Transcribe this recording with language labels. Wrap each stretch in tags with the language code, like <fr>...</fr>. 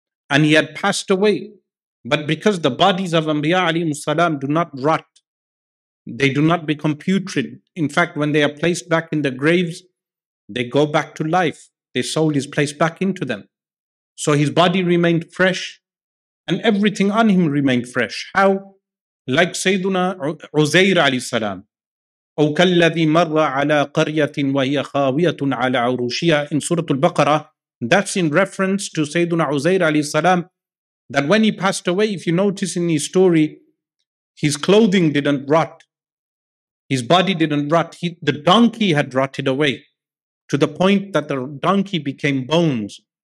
<en>And he had passed away. But because the bodies of Anbiya alayhi salam do not rot, they do not become putrid. In fact, when they are placed back in the graves, they go back to life. Their soul is placed back into them. So his body remained fresh and everything on him remained fresh. How? Like Sayyiduna Uzair alayhi salam.</en> <ar>أو كالذي مر على قرية وهي خاوية على عروشها in Surah Al-Baqarah.</ar> <en>That's in reference to Sayyiduna Uzair alayhi salam, that when he passed away, if you notice in his story, his clothing didn't rot. His body didn't rot. The donkey had rotted away to the point that the donkey became bones.</en>